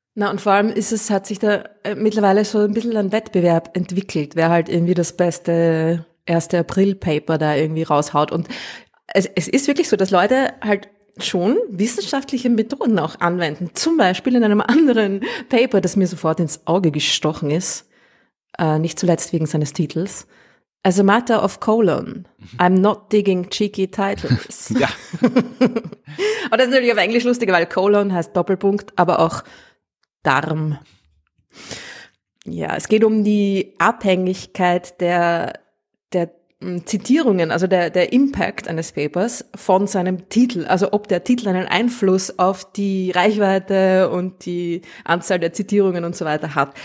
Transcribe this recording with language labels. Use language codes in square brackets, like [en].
[de] Na, und vor allem hat sich da mittlerweile so ein bisschen ein Wettbewerb entwickelt, wer halt irgendwie das beste 1. April-Paper da irgendwie raushaut. Und es ist wirklich so, dass Leute halt schon wissenschaftliche Methoden auch anwenden. Zum Beispiel in einem anderen Paper, das mir sofort ins Auge gestochen ist, nicht zuletzt wegen seines Titels. [en] As a matter of colon, I'm not digging cheeky titles. [de] Ja. Und das ist natürlich auf Englisch lustiger, weil colon heißt Doppelpunkt, aber auch Darm. Ja, es geht um die Abhängigkeit der Zitierungen, also der Impact eines Papers von seinem Titel, also ob der Titel einen Einfluss auf die Reichweite und die Anzahl der Zitierungen und so weiter hat.